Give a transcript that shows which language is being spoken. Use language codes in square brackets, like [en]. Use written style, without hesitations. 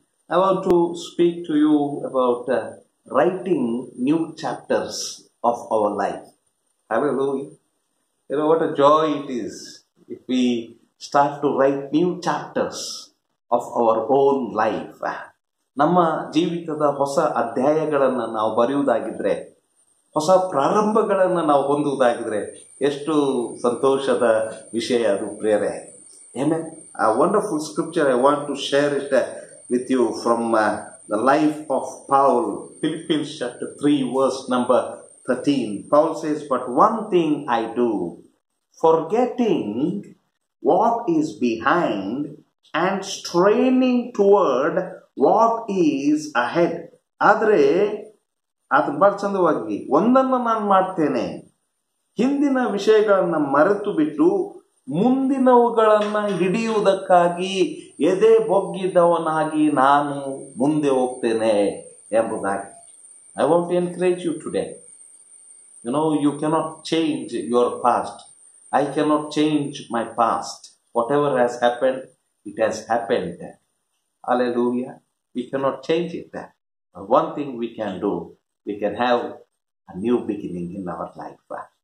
[en] I want to speak to you about writing new chapters of our life. Hallelujah. You know what a joy it is if we start to write new chapters of our own life. [kn] ನಮ್ಮ ಜೀವಿತದ ಹೊಸ ಅಧ್ಯಾಯಗಳನ್ನು ನಾವು ಬರೆಯುವುದಾಗಿದ್ದರೆ, ಹೊಸ ಪ್ರಾರಂಭಗಳನ್ನು ನಾವು ಹೊಂದುವುದಾಗಿದ್ದರೆ ಎಷ್ಟು ಸಂತೋಷದ ವಿಷಯ ಅದು. [en] Prayer amen. ಆ wonderful scripture I want to share it with you from the life of Paul, Philippians chapter 3:13. Paul says, but one thing I do, forgetting what is behind and straining toward what is ahead. [kn] ಆದರೆ ಅದು ಬಹಳ ಚಂದವಾಗಿ ಒಂದನ್ನು ನಾನು ಮಾಡ್ತೇನೆ, ಹಿಂದಿನ ವಿಷಯಗಳನ್ನು ಮರೆತು ಬಿಟ್ಟು ಮುಂದಿನವುಗಳನ್ನು ಹಿಡಿಯುವುದಕ್ಕಾಗಿ ಎದೆ ಬೊಗ್ಗಿದವನಾಗಿ ನಾನು ಮುಂದೆ ಹೋಗ್ತೇನೆ ಎಂಬುದಾಗಿ. [en] I want to encourage you today, you know you cannot change your past, I cannot change my past, whatever has happened it has happened. Hallelujah. We cannot change it. But one thing we can do, we can have a new beginning in our life.